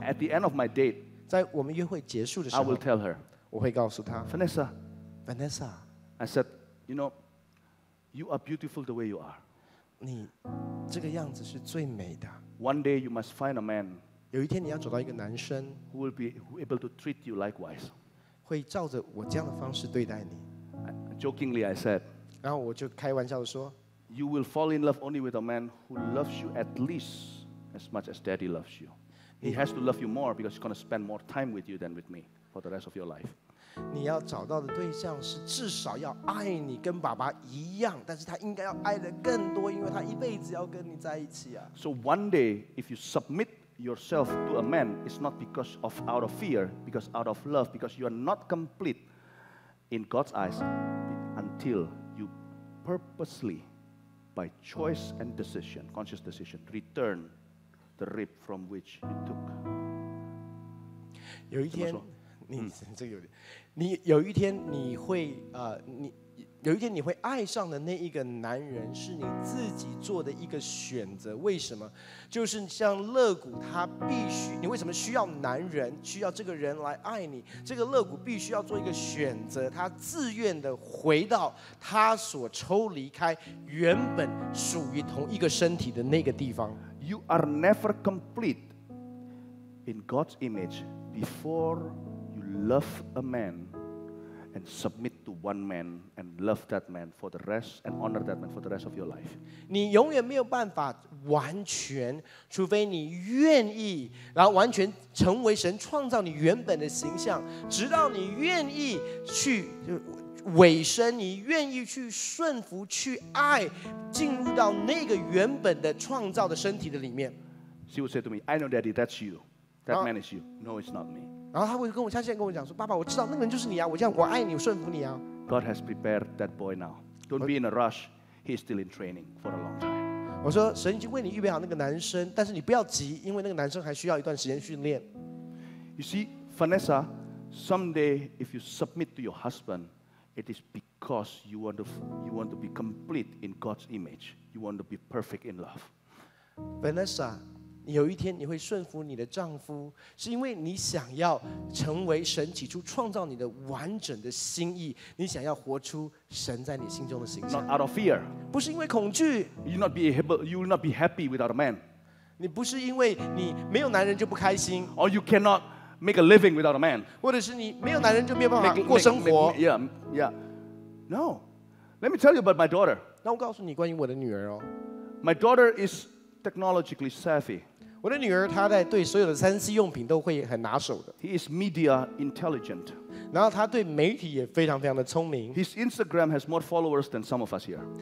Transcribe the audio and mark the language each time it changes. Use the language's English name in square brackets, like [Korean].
[English] At the end of my date, [Chinese] 在我们约会结束的时候 [English] ，I will tell her. [Chinese] 我会告诉她 [English] Vanessa. [Chinese] Vanessa. [English] I said, you know. You are beautiful the way you are. [Chinese] 你这个样子是最美的。 [English] One day you must find a man. [Chinese] 有一天你要找到一个男生。 [English] Who will be able to treat you likewise. [Chinese] 会照着我这样的方式对待你。 [English] Jokingly I said. [Chinese] 然后我就开玩笑地说。 [English] You will fall in love only with a man who loves you at least as much as daddy loves you. He has to love you more because he's going to spend more time with you than with me for the rest of your life. [Chinese] 你要找到的对象是至少要爱你跟爸爸一样，但是他应该要爱的更多，因为他一辈子要跟你在一起啊。 [English] So one day, if you submit yourself to a man, it's not because of out of fear, because out of love, because you are not complete in God's eyes until you purposely, by choice and decision, conscious decision, return the rib from which you took. [Chinese] 有一天。你这个有点，你有一天你会你有一天你会爱上的那一个男人是你自己做的一个选择。为什么？就是像乐谷，他必须你为什么需要男人，需要这个人来爱你？这个乐谷必须要做一个选择，他自愿的回到他所抽离开原本属于同一个身体的那个地方。 [English] You are never complete in God's image before. Love a man and submit to one man and love that man for the rest and honor that man for the rest of your life. [Chinese] 你永远没有办法完全，除非你愿意，然后完全成为神创造你原本的形象，直到你愿意去委身，你愿意去顺服，去爱，进入到那个原本的创造的身体的里面。 [English] She would say to me, "I know, Daddy, that's you. That man is you. No, it's not me." [Chinese] 然后他会跟我，他现在跟我讲说，爸爸，我知道那个人就是你啊，我这样，我爱你，我顺服你啊。 [English] God has prepared that boy now. Don't be in a rush. He's still in training for a long time. [Chinese] 我说，神已经为你预备好那个男生，但是你不要急，因为那个男生还需要一段时间训练。 [English] You see, Vanessa, someday if you submit to your husband, it is because you want to be complete in God's image. You want to be perfect in love. Vanessa. [Chinese] 有一天你会顺服你的丈夫，是因为你想要成为神起初创造你的完整的心意，你想要活出神在你心中的形象。 [English] Not out of fear. [Chinese] 不是因为恐惧。 [English] You will not be happy without a man. [Chinese] 你不是因为你没有男人就不开心。 [English] Or you cannot make a living without a man. [Chinese] 或者是你没有男人就没有办法过生活。 [English] No. Let me tell you about my daughter. [Chinese] 那我告诉你关于我的女儿哦。 [English] My daughter is. Technologically savvy. [Chinese] 我的女儿她在对所有的3C 用品都会很拿手的。 [English] He is media intelligent. [Chinese] 然后她对媒体也非常非常的聪明。 [English] His Instagram has more followers than some of us here.